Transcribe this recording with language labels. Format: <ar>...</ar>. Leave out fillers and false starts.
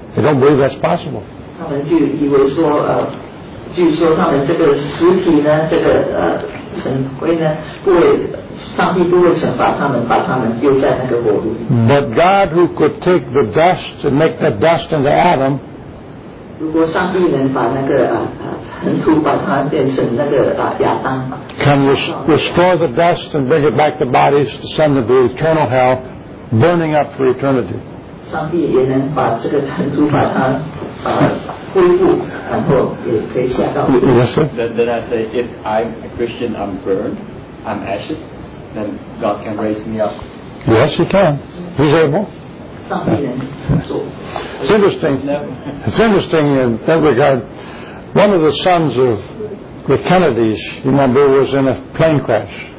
<en>They don't believe that's possible. But God, who could take the dust and make the dust into Adam,</en> <zh>如果上帝能把那个尘土把它变成那个亚当</zh> <en>Can restore the dust and bring it back to bodies to send them to eternal hell, burning up for eternity.</en> <zh>上帝也能把这个尘土把它恢复，然后也可以下到。</zh> <en>Yes, sir. Then I say, if I'm a Christian, I'm burned, I'm ashes, then God can raise me up. Yes, He can. He's able. It's interesting in that regard. One of the sons of the Kennedys, you remember, was in a plane crash.</en>